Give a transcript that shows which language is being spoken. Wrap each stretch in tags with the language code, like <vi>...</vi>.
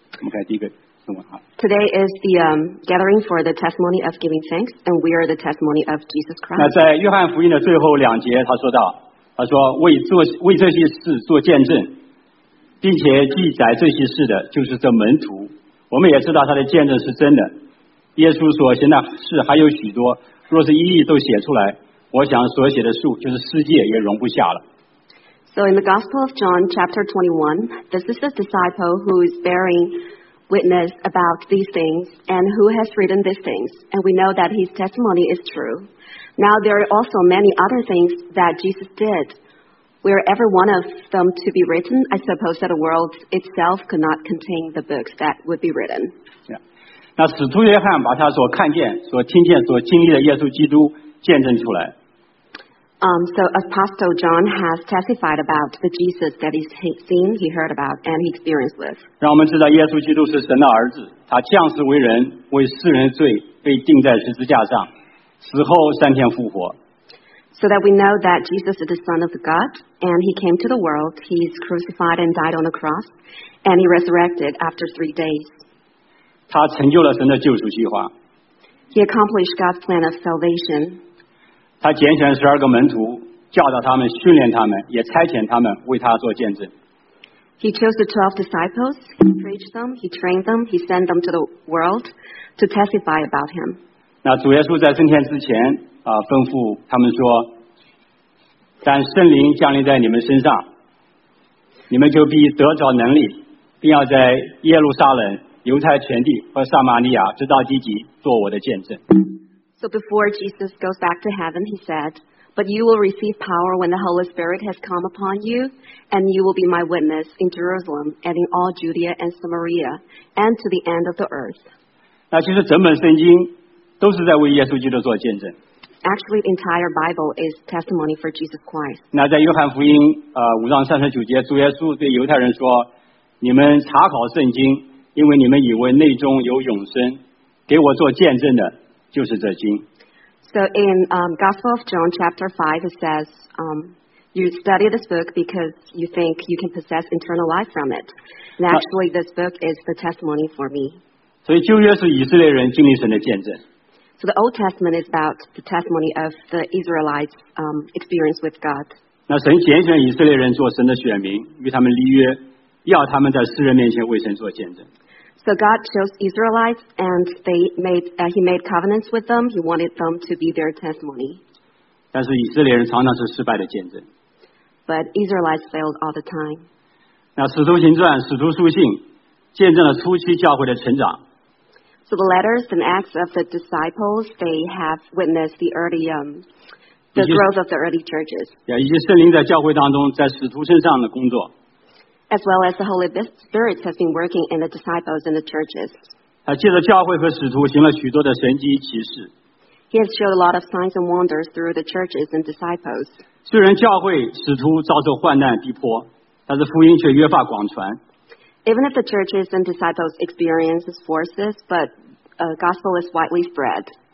<zh>我们看第一个中文哈。</zh> <en>Today is the gathering for the testimony of giving thanks, and we are the testimony of Jesus Christ.</en> <zh>那在约翰福音的最后两节，他说到，他说为这些事做见证，并且记载这些事的，就是这门徒。我们也知道他的见证是真的。耶稣所行的事还有许多，若是一一都写出来，我想所写的数就是世界也容不下了。</zh> <en>So in the Gospel of John, chapter 21, this is the disciple who is bearing witness about these things and who has written these things. And we know that his testimony is true. Now there are also many other things that Jesus did. Were every one of them to be written, I suppose that the world itself could not contain the books that would be written. Yeah.</en> <zh>那使徒约翰把他所看见、所听见、所经历的耶稣基督见证出来。</zh> <en>So Apostle John has testified about the Jesus that he's seen, he heard about, and he experienced with.</en> <zh>让我们知道耶稣基督是神的儿子，他降世为人，为世人的罪被钉在十字架上，死后三天复活。</zh> <en>So that we know that Jesus is the Son of God, and he came to the world, he's crucified and died on the cross, and he resurrected after 3 days.</en> <zh>他成就了神的救赎计划。</zh> <en>He accomplished God's plan of salvation.</en> <zh>他拣选十二个门徒，教导他们，训练他们，也差遣他们为他做见证。</zh> <en>He chose the 12 disciples, he preached them, he trained them, he sent them to the world to testify about him.</en> <zh>那主耶稣在升天之前啊，吩咐他们说，但圣灵降临在你们身上，你们就必得着能力，并要在耶路撒冷、犹太全地和撒玛利亚直到极极做我的见证。</zh> <en>So before Jesus goes back to heaven, he said,But you will receive power when the Holy Spirit has come upon you, and you will be my witness in Jerusalem and in all Judea and Samaria and to the end of the earth.</en> <zh>那其实整本圣经都是在为耶稣基督做见证。</zh> <en>Actually, the entire Bible is testimony for Jesus Christ.</en> <zh>那在约翰福音五章三十九节，主耶稣对犹太人说：“你们查考圣经，因为你们以为内中有永生，给我做见证的就是这经。”</zh> <en>So in Gospel of John chapter 5 it says, you study this book because you think you can possess eternal life from it. And actually this book is the testimony for me.</en> <zh>所以旧约是以色列人经历神的见证。</zh> <en>So the Old Testament is about the testimony of the Israelites' experience with God.</en> <zh>那神拣选以色列人做神的选民，与他们立约，要他们在世人面前为神做见证。</zh> <en>So God chose Israelites, and they made,He made covenants with them. He wanted them to be their testimony.</en> <zh>但是以色列人常常是失败的见证。</zh> <en>But Israelites failed all the time.</en> <zh>那使徒行传、使徒书信，见证了初期教会的成长。</zh> <en>So the letters and acts of the disciples, they have witnessed the growth of the early churches.</en> <zh>以及圣灵在教会当中，在使徒身上的工作。</zh> <en>As well as the Holy Spirit has been working in the disciples and the churches.</en> <zh>他借着教会和使徒行了许多的神迹奇事。</zh> <en>He has showed a lot of signs and wonders through the churches and disciples.</en> <zh>虽然教会使徒遭受患难逼迫，但是福音却越发广传。</zh> <en>Even if the churches and disciples experience forces, but gospel is widely spread.</en>